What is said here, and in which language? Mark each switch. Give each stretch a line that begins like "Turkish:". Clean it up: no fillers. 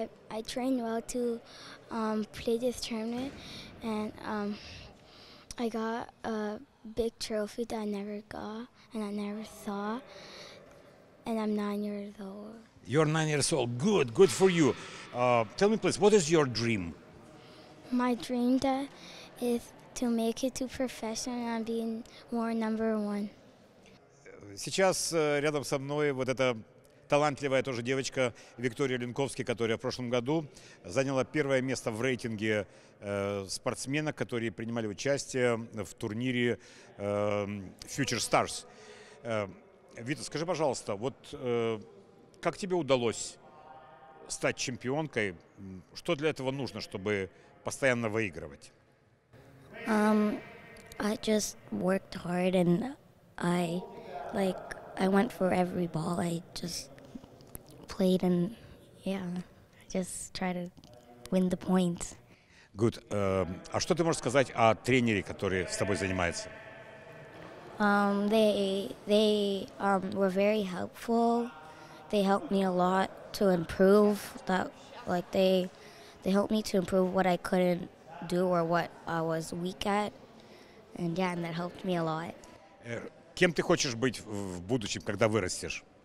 English: I trained well to play this tournament, and I got a big trophy that I never got and I never saw. And I'm 9 years old. You're 9 years old. Good, good for you. Tell me, please, what is your dream? My dream that is to make it to professional and being more number one.
Russian: Сейчас рядом со мной вот эта талантливая тоже девочка Виктория Ленковски, которая в прошлом году заняла первое место в рейтинге спортсменок, которые принимали участие в турнире Future Stars. Вита, скажи, пожалуйста, вот как тебе удалось стать чемпионкой? Что для этого нужно, чтобы постоянно выигрывать?
English: I just worked hard and I... Like, I went for every ball, I just played and, yeah, just try to win the points. Good.
Russian: А что ты можешь сказать о тренере, который с тобой занимается?
English: They were very helpful. They helped me a lot to improve. That, like, they helped me to improve what I couldn't do or what I was weak at. And, yeah, and that helped me a lot.
Russian: Кем ты хочешь быть в будущем, когда вырастешь?